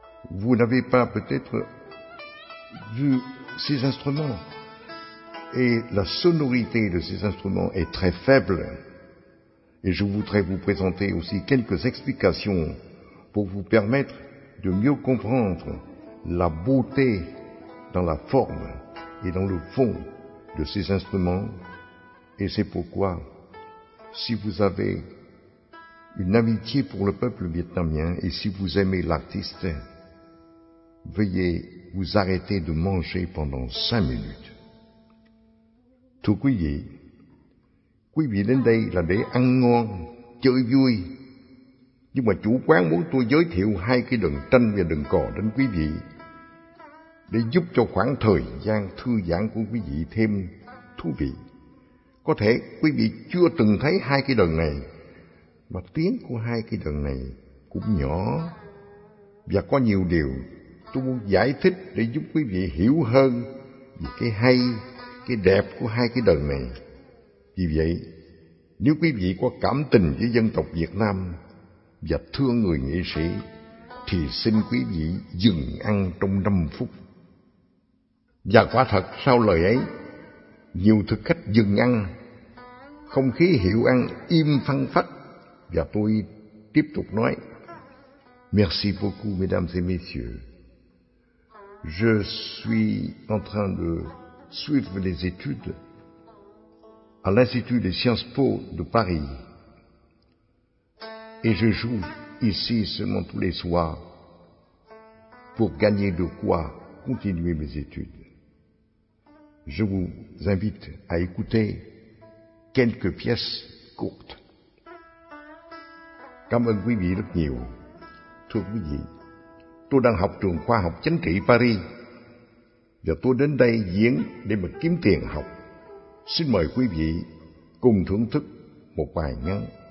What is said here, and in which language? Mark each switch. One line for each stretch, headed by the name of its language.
French: Vous n'avez pas peut-être vu ces instruments, et la sonorité de ces instruments est très faible, et je voudrais vous présenter aussi quelques explications pour vous permettre de mieux comprendre la beauté dans la forme et dans le fond de ces instruments. Et c'est pourquoi, si vous avez une amitié pour le peuple vietnamien et si vous aimez l'artiste, veuillez vous arrêter de manger pendant 5 minutes.
Vietnamese: Thưa quý vị, quý vị đến đây là để ăn ngon, chơi vui, nhưng mà chủ quán muốn tôi giới thiệu hai cái đờn tranh và đờn cò đến quý vị để giúp cho khoảng thời gian thư giãn của quý vị thêm thú vị. Có thể quý vị chưa từng thấy hai cái đờn này, mà tiếng của hai cái đờn này cũng nhỏ, và có nhiều điều tôi muốn giải thích để giúp quý vị hiểu hơn về cái hay, cái đẹp của hai cái đờn này. Vì vậy, nếu quý vị có cảm tình với dân tộc Việt Nam và thương người nghệ sĩ, thì xin quý vị dừng ăn trong 5 phút. Và quả thật, sau lời ấy, nhiều thực khách dừng ăn, không khí hiệu ăn im phăng phắc, và tôi tiếp tục nói:
French: Merci beaucoup, mesdames et messieurs. Je suis en train de suivre les études à l'Institut des Sciences Po de Paris. Et je joue ici seulement tous les soirs pour gagner de quoi continuer mes études. Je vous invite à écouter quelques pièces courtes.
Vietnamese: Cảm ơn quý vị rất nhiều. Thưa quý vị, tôi đang học trường khoa học chính trị Paris và tôi đến đây diễn để mà kiếm tiền học. Xin mời quý vị cùng thưởng thức một bài ngắn.